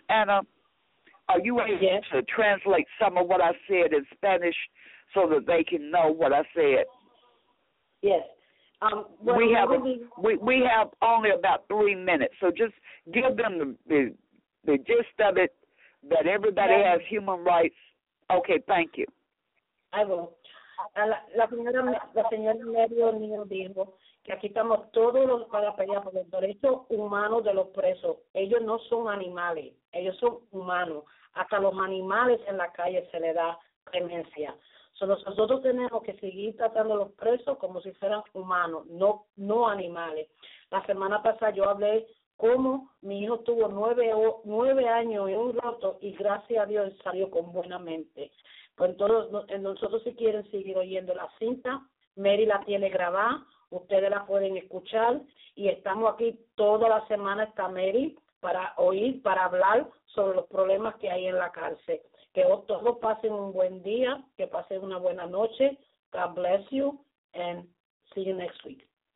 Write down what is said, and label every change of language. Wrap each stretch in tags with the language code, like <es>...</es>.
<en>Anna, are you able to translate some of what I said in Spanish so that they can know what I said? Yes. We have only about 3 minutes, so just give them the gist of it, that everybody has human rights. Okay, thank you. I will.</en> <es>La señora Mary O'Neill dijo que aquí estamos todos los para pelear por los derechos humanos de los presos. Ellos no son animales, ellos son humanos. Hasta los animales en la calle se les da clemencia. So nosotros tenemos que seguir tratando a los presos como si fueran humanos, no animales. La semana pasada yo hablé cómo mi hijo tuvo 9 años y un roto y gracias a Dios salió con buena mente. Pues todos nosotros, si quieren seguir oyendo la cinta, Mary la tiene grabada, ustedes la pueden escuchar, y estamos aquí toda la semana, está Mary, para oír, para hablar sobre los problemas que hay en la cárcel. Que todos pasen un buen día, que pasen una buena noche.</es> <en>God bless you, and see you next week.</en>